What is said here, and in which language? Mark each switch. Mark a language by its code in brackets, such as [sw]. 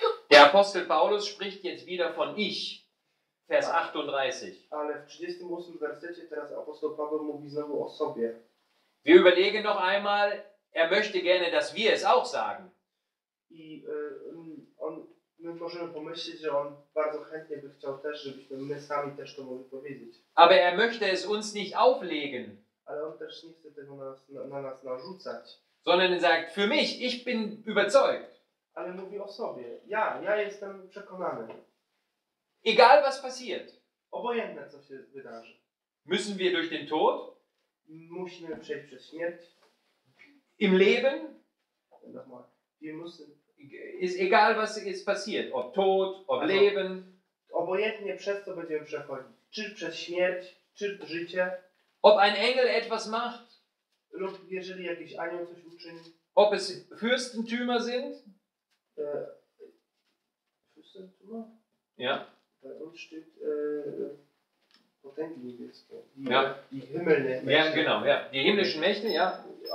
[de] Der Apostel Paulus spricht jetzt wieder von ich, Vers 38. [pl] Ale w 38. wersecie teraz Apostel Paweł mówi znowu o sobie. [de] Wir überlegen noch einmal, er möchte gerne, dass wir es auch sagen. [pl] I on my możemy pomyśleć, że on bardzo chętnie by chciał też, żebyśmy my sami też to mogli powiedzieć. [de] Aber er möchte es uns nicht auflegen. [pl] Ale on też nie chce tego na nas narzucać. [de] Sondern er sagt, für mich, ich bin überzeugt. [pl] Ale mówi o sobie. Ja jestem przekonany. [de] Egal was passiert. [pl] Obojętne co się wydarzy. [de] Müssen wir durch den Tod? [pl] Musimy przejść przez śmierć. [de] Im Leben? Nochmal. Wir müssen... Ist egal, was jetzt passiert, ob Tod, ob also, Leben. [pl] Obojętnie przez co będziemy przechodzić. Czy przez śmierć, czy życie. [de] Ob ein Engel etwas macht. [pl] Lub jeżeli jakiś anioł coś uczyni. [de] Ob es Fürstentümer sind. Fürstentümer? Ja. Bei uns steht [pl] Potenten niebieskie. [de] Ja. Die himmelnen Mächte. Ja, genau. Ja. Die himmlischen Mächte, ja.